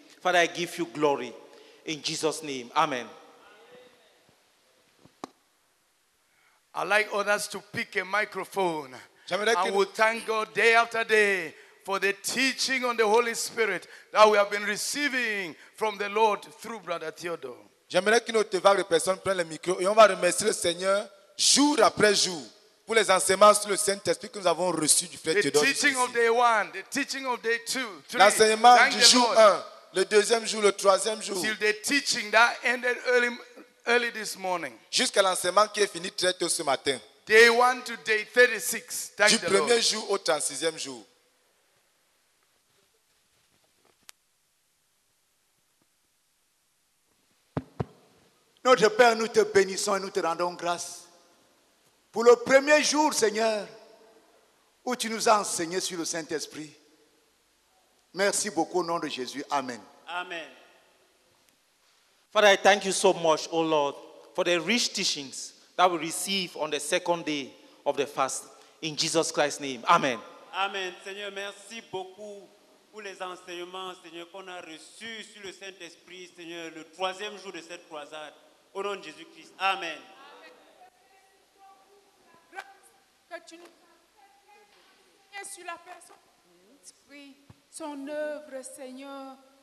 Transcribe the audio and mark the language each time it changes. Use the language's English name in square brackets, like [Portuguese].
[English] Father, I give you glory. In Jesus' name, amen. I'd like others to pick a microphone. I will thank God day after day for the teaching on the Holy Spirit that we have been receiving from the Lord through Brother Theodore. [French] J'aimerais qu'une autre vague de personnes prenne le micro et on va remercier le Seigneur jour après jour pour les enseignements sur le Saint-Esprit que nous avons reçus du frère Théodore. [English] The teaching of day one, the teaching of day two, three. [French] L'enseignement du jour 1, le deuxième jour, le troisième jour. [English] Till the teaching that ended early this morning. [French] Jusqu'à l'enseignement qui est fini très tôt ce matin. [English] Day one to day 36. Thank [French] du premier jour au 36e jour. Notre Père, nous te bénissons et nous te rendons grâce pour le premier jour, Seigneur, où tu nous as enseigné sur le Saint-Esprit. Merci beaucoup au nom de Jésus. Amen. Amen. [English] Father, I thank you so much, O Lord, for the rich teachings that we receive on the second day of the fast. In Jesus Christ's name. Amen. Amen. [French] Seigneur, merci beaucoup pour les enseignements, Seigneur, qu'on a reçus sur le Saint-Esprit, Seigneur, le troisième jour de cette croisade. Au nom de Jésus-Christ. Amen. Que tu nous fasses sur la personne, son œuvre, Seigneur.